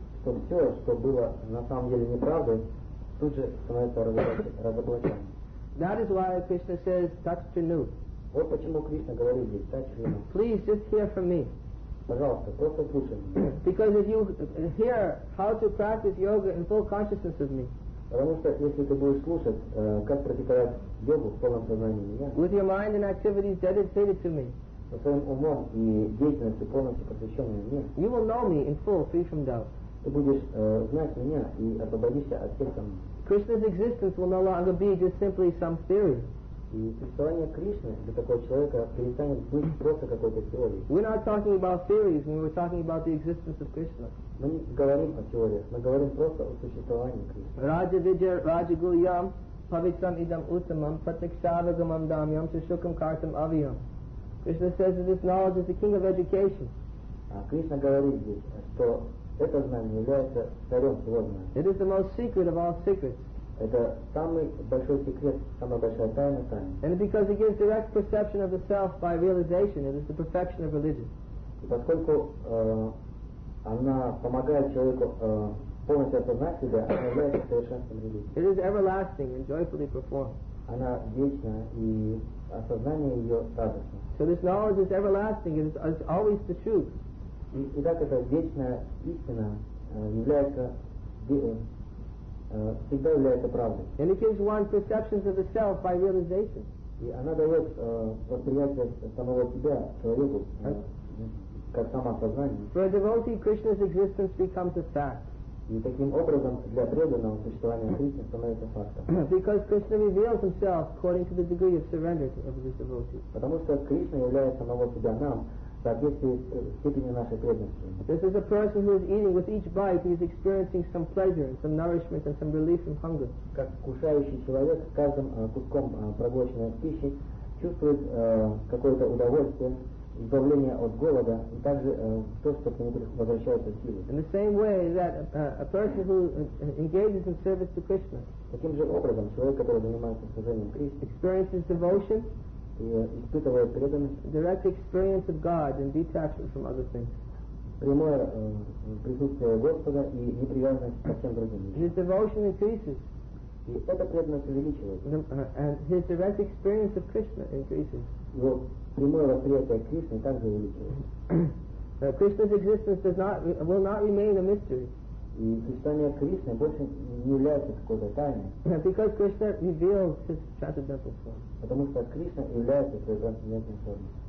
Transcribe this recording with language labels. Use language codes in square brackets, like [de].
[ru] То все, что было на самом деле неправдой, тут же становится разоблачено. [en] That is why Krishna says, "Touch to new." [ru] Вот почему Кришна говорит здесь, "Touch to new." [en] Please just hear from me. [ru] Пожалуйста, просто слушай. [en] Because if you hear how to practice yoga in full consciousness of me. [ru] Потому что если ты будешь слушать, как практиковать йогу в полном сознании меня. [en] With your mind and activities dedicated to me. [ru] Со своим умом и деятельностью полностью посвященной мне. [en] You will know me in full, free from doubt. [ru] Ты будешь знать меня и освободишься от всех сомнений. [en] Krishna's existence will no longer be just simply some theory. [ru] И существование Кришны для такого человека перестанет быть просто какой-то теорией. [en] We're not talking about theories when we're talking about the existence of Krishna. [ru] Мы не говорим о теориях, мы говорим просто о существовании Кришны. [sa] Raja vidya raja gulyam pavitram idam uttamam pratikshavagamam damyam sushukam kartam avyam. [en] Krishna says that this knowledge is the king of education. [ru] Krishna говорит здесь, что это знание является царем всего знания. [en] It is the most secret of all secrets. [ru] Это самый большой секрет, самая большая тайна тайны. [en] And because it gives direct perception of the self by realization, it is the perfection of religion. [ru] И поскольку она помогает человеку полностью осознать себя, она является совершенством религии. [en] It is everlasting and joyfully performed. [ru] Она вечна, и осознание ее радостно. [en] So this knowledge is everlasting, it is always the truth. [ru] Итак, эта вечная истина является всегда является правдой. [en] And it gives one perceptions of the self by realization. [ru] И она дает восприятие самого себя, человеку, как самосознание. [en] For a devotee, Krishna's existence becomes a fact. [ru] И таким образом для преданного существования Кришны становится фактом. [en] Because Krishna reveals himself according to the degree of surrender of this devotee. [ru] Потому что Кришна являет самого себя нам в соответствии с степенью нашей преданности. [en] This is a person who is eating with each bite, he is experiencing some pleasure, some nourishment and some relief from hunger. [ru] Как кушающий человек, каждым куском проглоченной пищи чувствует какое-то удовольствие, избавление от голода, и также то, что к нему возвращаются силы. [en] In the same way that a person who engages in service to Krishna, [ru] таким же образом человек, который занимается служением Кришне, [en] experiences devotion, [ru] и испытывает преданность, [en] direct experience of God and detachment from other things. [ru] Прямое присутствие Господа и непривязанность ко всем другим. [en] His devotion increases. [ru] И эта преданность увеличивается. [en] And his direct experience of Krishna increases. [ru] Его прямое восприятие Кришны также увеличивается. [en] Krishna's existence will not remain a mystery. [ru] И существование Кришны больше не является какой-то тайной. [en] Because Krishna reveals his transcendental form. [ru] Потому что Кришна является своей трансцендентной формой.